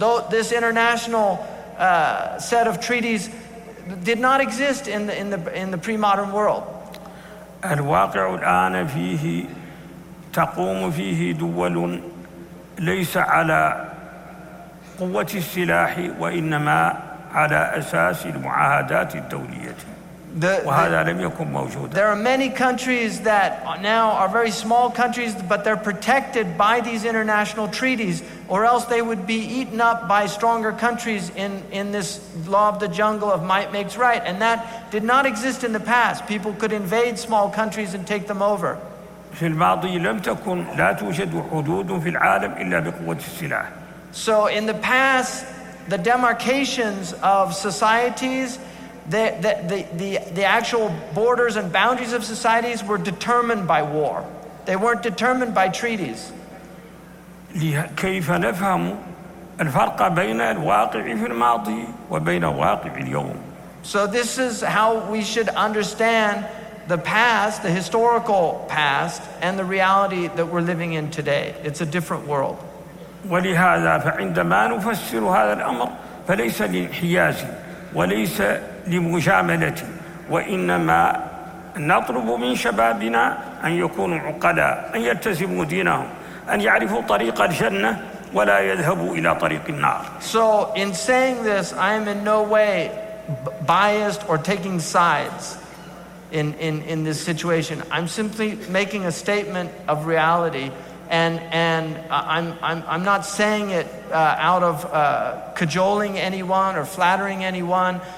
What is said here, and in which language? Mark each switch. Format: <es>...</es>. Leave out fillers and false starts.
<en>This international set of treaties did not exist in the pre-modern world.</en> <ar>الواقع الآن فيه تقوم فيه دول ليس على قوة السلاح وإنما على أساس المعاهدات الدولية. وهذا لم يكن موجودا.</ar> <en>There are many countries that now are very small countries, but they're protected by these international treaties, or else they would be eaten up by stronger countries in this law of the jungle of might makes right. And that did not exist in the past. People could invade small countries and take them over.</en> <ar>في الماضي لم تكن لا توجد حدود في العالم إلا بقوة السلاح.</ar> <en>So in the past, the demarcations of societies, the actual borders and boundaries of societies were determined by war. They weren't determined by treaties.</en> <ar>كيف نفهم الفرق بين الواقع في الماضي وبين الواقع اليوم؟</ar> <en>So this is how we should understand the past, the historical past, and the reality that we're living in today. It's a different world.</en> <ar>ولهذا فعندما نفسر هذا الأمر فليس للحياز وليس لمجاملة وإنما نطلب من شبابنا أن يكونوا عقلاء أن يلتزموا دينهم أن يعرفوا طريق الجنة ولا يذهبوا إلى طريق النار.</ar> <en>So in saying this, I am in no way biased or taking sides in this situation. I'm simply making a statement of reality. And I'm not saying it out of cajoling anyone or flattering anyone.</en>